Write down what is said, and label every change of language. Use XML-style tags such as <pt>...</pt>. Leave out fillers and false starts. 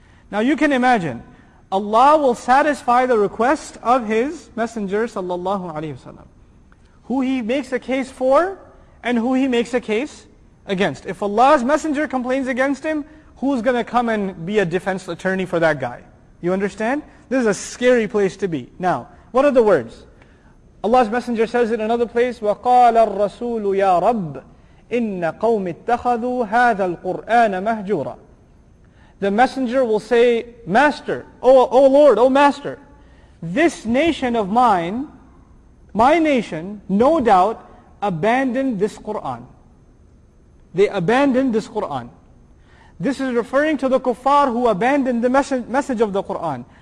<en>Now you can imagine, Allah will satisfy the request of His Messenger, sallallahu alayhi wasallam. Who He makes a case for, and who He makes a case against. If Allah's Messenger complains against him, who's going to come and be a defense attorney for that guy? You understand? This is a scary place to be. Now, what are the words? Allah's Messenger says in another place,</en> <ar>وَقَالَ الرَّسُولُ يَا رَبِّ إِنَّ قَوْمِ اتَّخَذُوا هَذَا الْقُرْآنَ مَهْجُورًا.</ar> <en>The Messenger will say, Master, O Lord, O Master, this nation of mine, my nation, no doubt, abandoned this Qur'an. They abandoned this Qur'an. This is referring to the kuffar who abandoned the message of the Qur'an.</en>